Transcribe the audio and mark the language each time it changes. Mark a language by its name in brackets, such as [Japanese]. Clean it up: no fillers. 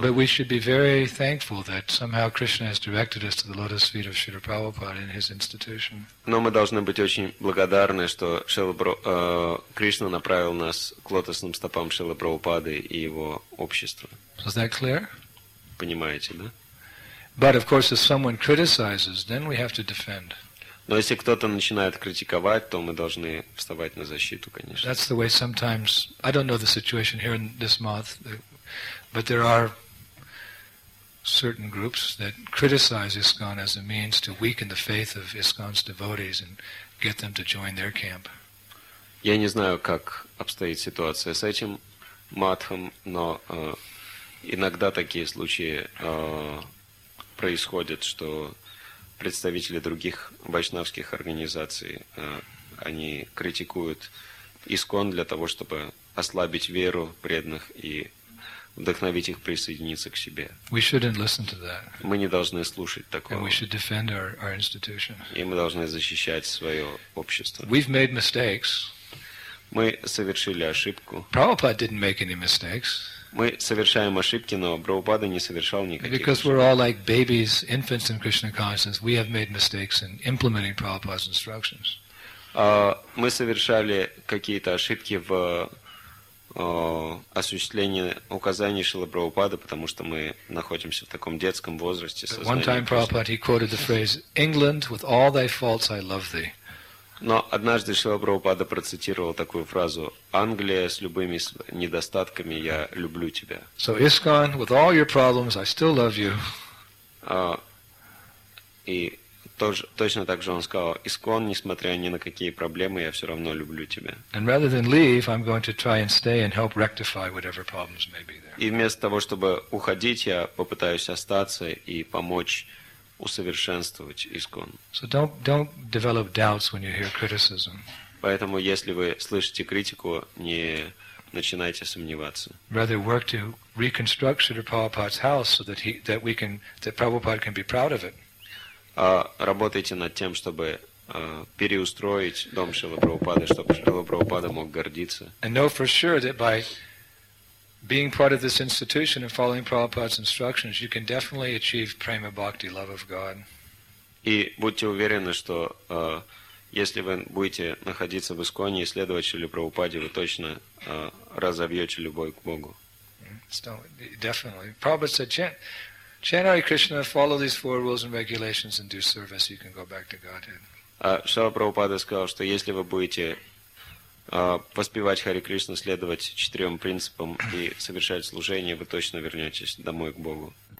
[English] But we should be very thankful that somehow Krishna has directed us to the lotus feet of Srila Prabhupada in his institution. [Russian] Но мы должны быть очень благодарны, что Кришна направил нас к лотосным стопам Шрилы Прабхупады и его общества. [English] Is that clear? [Russian] Понимаете, да? [English] But of course, if someone criticizes, then we have to defend. [Russian] Но если кто-то начинает критиковать, то мы должны вставать на защиту, конечно. [English] That's the way sometimes. I don't know the situation here in this month, but there are certain groups that criticize ISKCON as a means to weaken the faith of ISKCON's devotees and get them to join their camp. [Russian] Я не знаю, как обстоит ситуация с этим матхом, но иногда такие случаи происходят, что представители других вайшнавских организаций, они критикуют ИСКОН для того, чтобы ослабить веру преданных и вдохновить их присоединиться к себе. [English] We shouldn't listen to that. [Russian] Мы не должны слушать такого. [English] And we should defend our institution. [Russian] И мы должны защищать свое общество. [English] We've made mistakes. [Russian] Мы совершили ошибку. [English] Prabhupada didn't make any mistakes. [Russian] Мы совершаем ошибки, но Прабхупада не совершал никаких. [English] Because we're all like babies, infants in Krishna consciousness, we have made mistakes in implementing Prabhupada's instructions. [Russian] Мы совершали какие-то ошибки в осуществление указаний Шрилы Прабхупады, потому что мы находимся в таком детском возрасте. [English] One time Prabhupada, he quoted the phrase, "England, with all thy faults, I love thee." [Russian] Но однажды Шрила Прабхупада процитировал такую фразу: "Англия с любыми недостатками, я люблю тебя." [English] So ISKCON, with all your problems, I still love you. [Russian] И точно так же он сказал: "ИСККОН, несмотря ни на какие проблемы, я все равно люблю тебя." И вместо того, чтобы уходить, я попытаюсь остаться и помочь усовершенствовать ИСККОН. [English] So don't develop doubts when you hear criticism. [Russian] Поэтому, если вы слышите критику, не начинайте сомневаться. [English] Rather work to reconstruct Srila Prabhupada's house so that that Prabhupada can be proud of it. [Russian] Работайте над тем, чтобы переустроить дом Шрилы Прабхупады, чтобы Шрила Прабхупада мог гордиться. [English] And know for sure that by being part of this institution and following Prabhupada's instructions, you can definitely achieve prema bhakti, love of God. [Russian] И будьте уверены, что если вы будете находиться в ИСККОНе и следовать Шриле Прабхупаде, вы точно разовьете любовь к Богу. [English] So, definitely. Prabhupada said, Chant Hare Krishna, follow these four rules and regulations and do service, you can go back to Godhead. [Russian] Шрила Прабхупада сказал, что если вы будете воспевать Хари Кришну, следовать четырем принципам и совершать служение, вы точно вернетесь домой к Богу.